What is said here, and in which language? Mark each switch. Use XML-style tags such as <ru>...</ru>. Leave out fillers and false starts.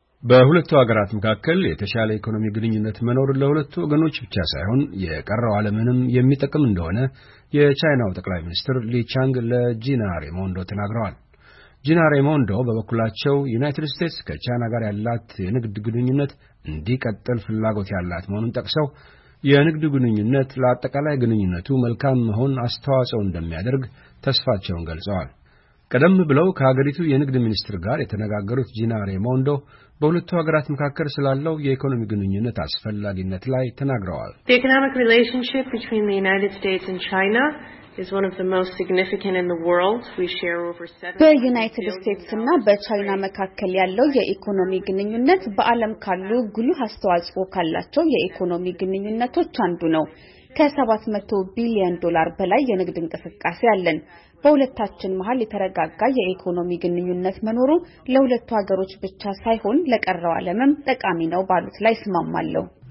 <am>በሁለቱ ሀገራት መካከል የተሻለ ኢኮኖሚ ግንኙነት መኖር ለሁለቱ ወገኖች ብቻ ሳይሆን የቀረው ዓለምንም የሚጠቅም እንደሆነ የቻይናው ጠቅላይ ሚኒስትር ሊ ቻንግ ለጂና ሬይሞንዶ ተናግረዋል። ጂና ሬይሞንዶ በበኩላቸው ዩናይትድ ስቴትስ ከቻይና ጋር ያላት የንግድ ግንኙነት እንዲቀጥል ፍላጎት ያላት መሆኑን ጠቅሰው የንግድ ግንኙነት ለአጠቃላይ ግንኙነቱ መልካም መሆን አስተዋጽኦ እንደሚያደርግ ተስፋቸውን ገልጸዋል። ቀደም ብለው ከሀገሪቱ የንግድ ሚኒስትር ጋር የተነጋገሩት ጂና ሬይሞንዶ በሁለቱ ሀገራት መካከል ስላለው የኢኮኖሚ ግንኙነት አስፈላጊነት ላይ ተናግረዋል።</am> <en>The economic relationship between the United States and China is one of the most significant in the world. We share over 7</en> <am>United States እና በቻይና መካከለ ያለው የኢኮኖሚ ግንኙነት በአለም ካሉ ጉልህ አስተዋጽኦ ካላቸው የኢኮኖሚ ግንኙነቶች አንዱ ነው። ከ700 ቢሊዮን ዶላር በላይ የንግድ እንቅስቃሴ አለን። በሁለታችን መሃል የተረጋጋ የኢኮኖሚ ግንኙነት መኖሩ ለሁለቱ ሀገሮች ብቻ ሳይሆን ለቀረው ዓለምም ጠቃሚ ነው ባሉት ላይ ስማማለሁ።</am>